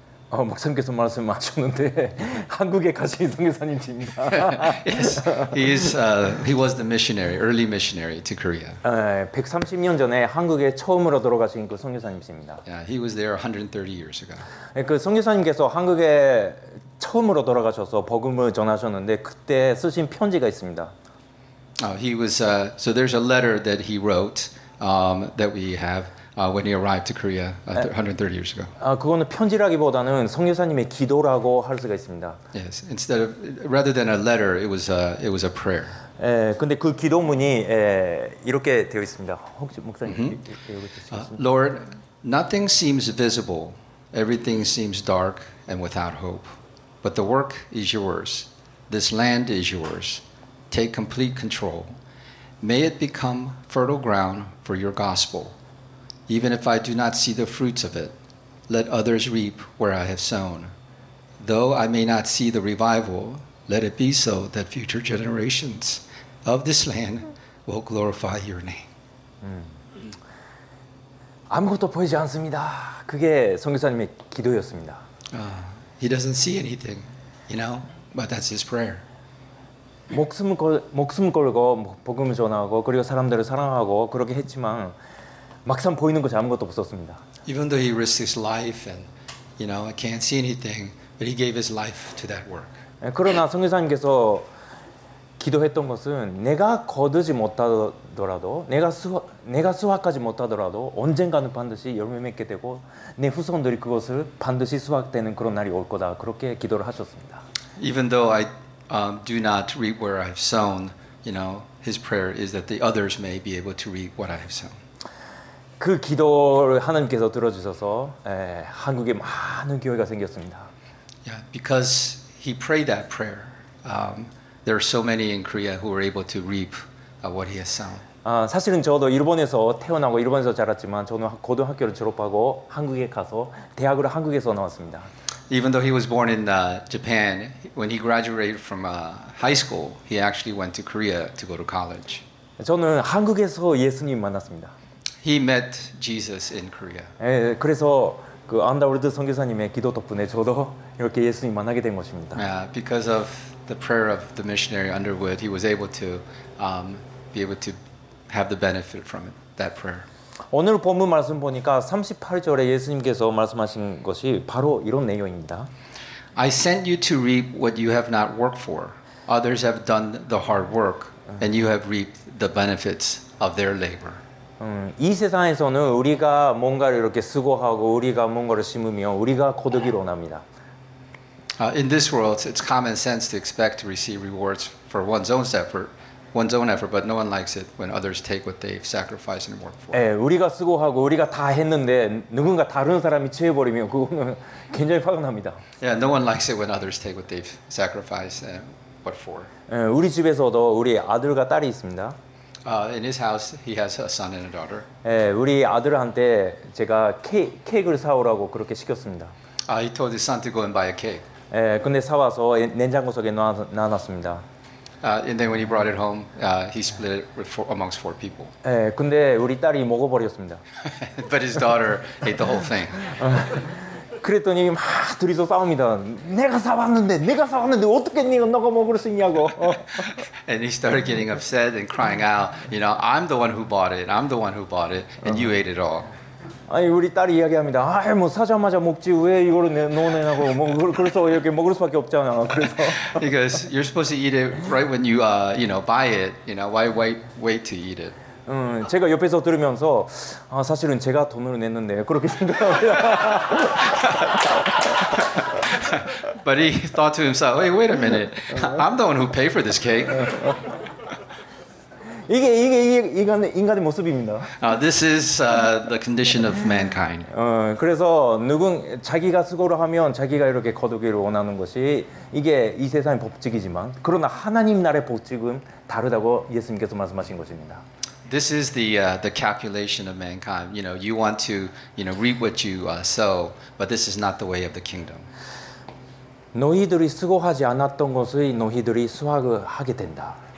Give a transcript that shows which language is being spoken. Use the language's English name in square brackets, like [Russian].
[Korean] 목사님께서 말씀 하셨는데 한국에 가신 선교사님입니다. [English] Yes, he was the missionary, early missionary to Korea. [Korean] 130년 전에 한국에 처음으로 돌아가신 그 선교사님입니다. [English] Yeah, he was there 130 years ago. [Korean] 그 선교사님께서 한국에 처음으로 돌아가셔서 복음을 전하셨는데 그때 쓰신 편지가 있습니다. [English] So there's a letter that he wrote that we have. When he arrived to Korea 130 years ago. [Korean] 그거는 편지라기보다는 선교사님의 기도라고 할 수가 있습니다. [English] Yes, instead of rather than a letter, it was a prayer. [Korean] 근데 그 기도문이 이렇게 되어 있습니다. 혹시 목사님 이렇게 읽어주시겠습니까? [English] Lord, nothing seems visible. Everything seems dark and without hope. But the work is yours. This land is yours. Take complete control. May it become fertile ground for your gospel. Even if I do not see the fruits of it, let others reap where I have sown. Though I may not see the revival, let it be so that future generations of this land will glorify your name. [Korean] 아무것도 보이지 않습니다. 그게 선교사님의 기도였습니다. [English] He doesn't see anything, you know, but that's his prayer. [Korean] 목숨 걸고 복음을 전하고 그리고 사람들을 사랑하고 그렇게 했지만 막상 보이는 것이 아무것도 없었습니다. [English] Even though he risked his life and, you know, I can't see anything, But he gave his life to that work. [Korean] 그러나 성교사님께서 기도했던 것은 내가 거두지 못하더라도 내가 수확하지 못하더라도 언젠가는 반드시 열매 맺게 되고 내 후손들이 그것을 반드시 수확되는 그런 날이 올 거다 그렇게 기도를 하셨습니다. [English] Even though I do not reap where I've sown, you know, his prayer is that the others may be able to reap what I have sown. [Korean] 그 기도를 하나님께서 들어주셔서 한국에 많은 교회가 생겼습니다. [English] Yeah, because he prayed that prayer. There are so many in Korea who are able to reap what he has sown. [Korean] 사실은 저도 일본에서 태어나고 일본에서 자랐지만 저는 고등학교를 졸업하고 한국에 가서 대학을 한국에서 나왔습니다. [English] Even though he was born in Japan, when he graduated from high school, he actually went to Korea to go to college. [Korean] 저는 한국에서 예수님 만났습니다. [English] He met Jesus in Korea. [Korean] 그래서 그 안다월드 선교사님의 기도 덕분에 저도 이렇게 예수님 만나게 된 것입니다. [English] Yeah, because of the prayer of the missionary Underwood, he was able to be able to have the benefit from it, that prayer. [Korean] 오늘 본문 말씀 보니까 38절에 예수님께서 말씀하신 것이 바로 이런 내용입니다. [English] I sent you to reap what you have not worked for. Others have done the hard work, and you have reaped the benefits of their labor. [Korean] 이 세상에서는 우리가 뭔가를 이렇게 수고하고 우리가 뭔가를 심으면 우리가 거두기로 합니다. [English] In this world, it's common sense to expect to receive rewards for one's own effort, but no one likes it when others take what they've sacrificed and worked for. [Korean] 우리가 수고하고 우리가 다 했는데 누군가 다른 사람이 취해 버리면 그거는 굉장히 화가 납니다. [English] Yeah, no one likes it when others take what they've sacrificed and worked for. [Korean] 우리 집에서도 우리 아들과 딸이 있습니다. [English] In his house, he has a son and a daughter. [Korean] 우리 아들한테 제가 케이크를 사오라고 그렇게 시켰습니다. [English] He told his son to go and buy a cake. [Korean] 근데 사와서 냉장고 속에 놔놨습니다. [English] And then when he brought it home, he split it amongst four people. [Korean] 근데 우리 딸이 먹어버렸습니다. [English] But his daughter ate the whole thing. [Korean] 그랬더니 막 둘이서 싸웁니다. 내가 사왔는데 어떻게 네가 먹을 수 있냐고. [English] And he started getting upset and crying out, you know, I'm the one who bought it, and you ate it all. [Korean] 아니 우리 딸이 이야기합니다. 아, 뭐 사자마자 먹지 왜 이걸 넣어내냐고. 뭐 그래서 이렇게 먹을 수밖에 없잖아. 그래서. [English] Because you're supposed to eat it right when you you know buy it. You know why wait to eat it? [Korean] 제가 옆에서 들으면서 사실은 제가 돈을 냈는데 그렇게 생각합니다. [English] But he thought to himself, hey, wait a minute. I'm the one who paid for this cake. [Korean] 이게 인간의 모습입니다. [English] This is the condition of mankind. [Korean] 그래서 누군 자기가 수고를 하면 자기가 이렇게 거두기를 원하는 것이 이게 이 세상의 법칙이지만 그러나 하나님 나라의 법칙은 다르다고 예수님께서 말씀하신 것입니다. [English] This is the calculation of mankind. You know, you want to, you know, reap what you sow, but this is not the way of the kingdom. [Korean] 너희들이 수고하지 않았던 것을 너희들이 수확을 하게 된다.